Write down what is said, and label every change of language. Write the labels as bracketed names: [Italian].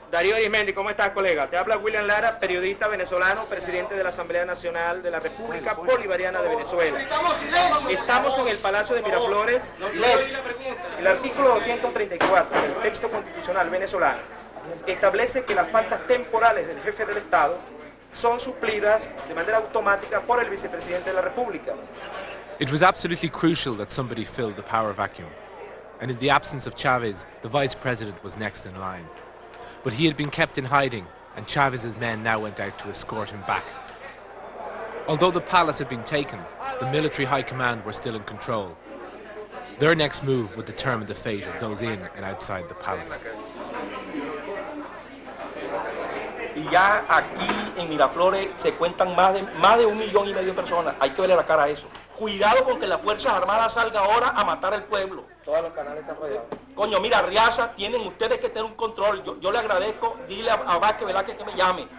[Spanish] Darío Arizmendi, ¿cómo estás, colega? Te habla William Lara, periodista venezolano, presidente de la Asamblea Nacional de la República Bolivariana de Venezuela. Estamos en el Palacio de Miraflores. El artículo 234 del texto constitucional venezolano establece que las faltas temporales del jefe del Estado son suplidas de manera automática por el vicepresidente de la República. [English] It was absolutely crucial that somebody fill the power vacuum. And in the absence of Chávez, the vice president was next in line. But he had been kept in hiding, and Chávez's men now went out to escort him back. Although the palace had been taken, the military high command were still in control. Their next move would determine the fate of those in and outside the palace. [Spanish] Y ya aquí en Miraflores se cuentan más de 1.5 [English] million [Spanish] de personas. Hay que verle la cara a eso. Cuidado con que las Fuerzas Armadas salgan ahora a matar al pueblo. Todos los canales están rodeados. Coño, mira, Riaza, tienen ustedes que tener un control. Yo le agradezco, dile a Vázquez Velázquez que me llame.